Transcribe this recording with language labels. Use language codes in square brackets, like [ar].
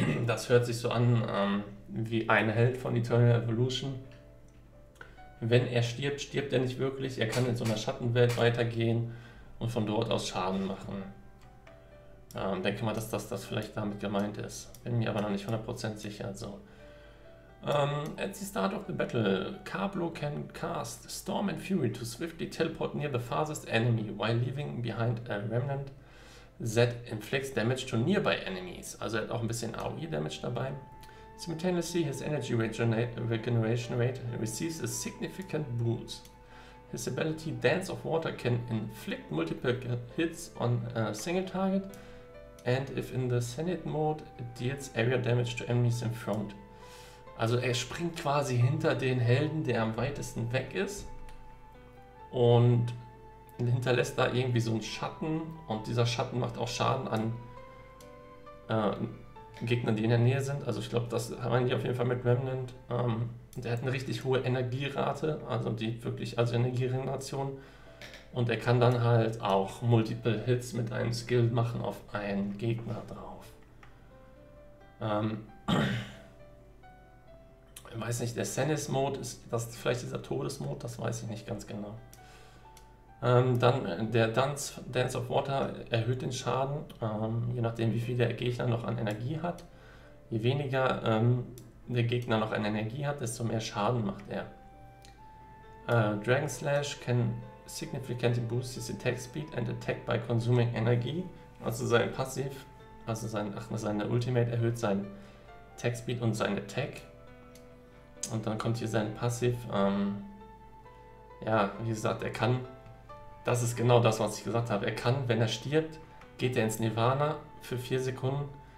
[de] Das hört sich so an wie ein Held von Eternal Evolution. Wenn er stirbt, stirbt er nicht wirklich. Er kann in so einer Schattenwelt weitergehen und von dort aus Schaden machen. Denke mal, dass das vielleicht damit gemeint ist. Bin mir aber noch nicht 100% sicher. So. [en] At the start of the battle, Carblo can cast Storm and Fury to swiftly teleport near the farthest enemy while leaving behind a remnant. Z inflicts damage to nearby enemies. [de] Also er hat auch ein bisschen AOE-Damage dabei. [en] Simultaneously, his energy regeneration rate receives a significant boost. His ability Dance of Water can inflict multiple hits on a single target. And if in the Senate Mode, it deals area damage to enemies in front. [de] Also er springt quasi hinter den Helden, der am weitesten weg ist. Und hinterlässt da irgendwie so einen Schatten und dieser Schatten macht auch Schaden an Gegnern, die in der Nähe sind. Also ich glaube, das meinen die auf jeden Fall mit Remnant. Der hat eine richtig hohe Energierate, also die wirklich, also Energieregeneration. Und er kann dann halt auch Multiple Hits mit einem Skill machen auf einen Gegner drauf. Ich weiß nicht, der Senes Mode, ist das vielleicht dieser Todesmode, das weiß ich nicht ganz genau. Dann der Dance of Water erhöht den Schaden, je nachdem, wie viel der Gegner noch an Energie hat. Je weniger der Gegner noch an Energie hat, desto mehr Schaden macht er. [en] Dragon Slash can significantly boost his Attack Speed and Attack by consuming Energy. [de] Also sein Passiv, also seine Ultimate erhöht seinen Attack Speed und seinen Attack. Und dann kommt hier sein Passiv. Ja, wie gesagt, er kann. Das ist genau das, was ich gesagt habe. Er kann, wenn er stirbt, geht er ins Nirvana für 4 Sekunden.